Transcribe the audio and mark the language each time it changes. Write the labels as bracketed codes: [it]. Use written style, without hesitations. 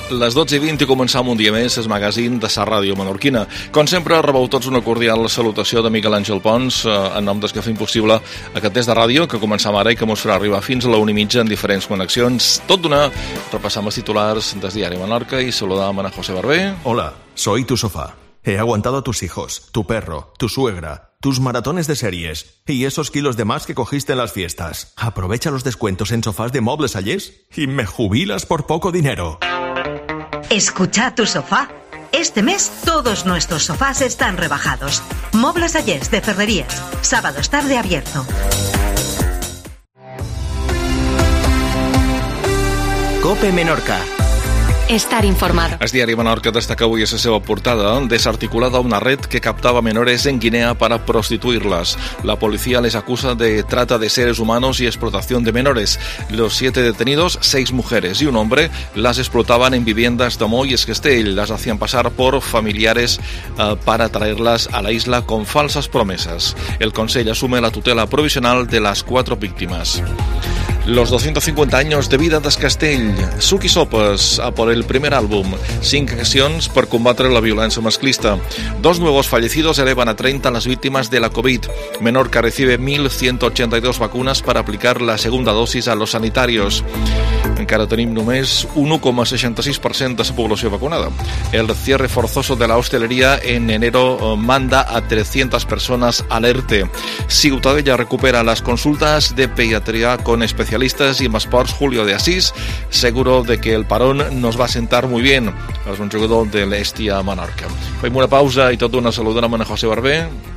[ca] Les 12:20 i començam un dia més el magazín de la ràdio menorquina. Com sempre, rebeu tots una cordial salutació de Miquel Àngel Pons en nom dels que fem possible aquest test de ràdio que començam ara i que mos farà arribar fins a la 1:30 en diferents connexions. Tot d'una, repassam els titulars del diari Menorca i saludam a José Barbé. [es] Hola, soy tu sofá. He aguantado a tus hijos, tu perro, tu suegra, tus maratones de series y esos kilos de más que cogiste en las fiestas. Aprovecha los descuentos en sofás de Muebles Allés y me jubilas por poco dinero. Escucha tu sofá. Este mes todos nuestros sofás están rebajados. Muebles Allés de Ferrerías. Sábados tarde abierto. Cope Menorca. Estar informado. [ca] El diari Menorca destaca avui a la seva portada [es] desarticulada una red que captava menores en Guinea para prostituirlas. La policia les acusa de trata de seres humanos y explotación de menores. Los 7 detenidos, 6 mujeres y un hombre, las explotaban en viviendas de Moyes Castell. Las hacían pasar por familiares para traerlas a la isla con falsas promesas. El Consell asume la tutela provisional de las 4 víctimas. Los 250 años de vida del castell. Suc i Sopes, a por el primer álbum. [ca] 5 accions per combatre la violència masclista. [es] 2 nuevos fallecidos elevan a 30 las víctimas de la COVID. Menorca recibe 1.182 vacunas para aplicar la segunda dosis a los sanitarios. [ca] Encara tenim només un 1,66% de la població vacunada. [es] El cierre forzoso de la hostelería en enero manda a 300 personas al ERTE. Ciutadella recupera las consultas de pediatría con especialistas y Masports Julio de Asís, seguro de que el parón nos va a sentar muy bien. Es un jugador de [ca] l'Estia Menorca. Fem una pausa i tot una saludada a José Barbé.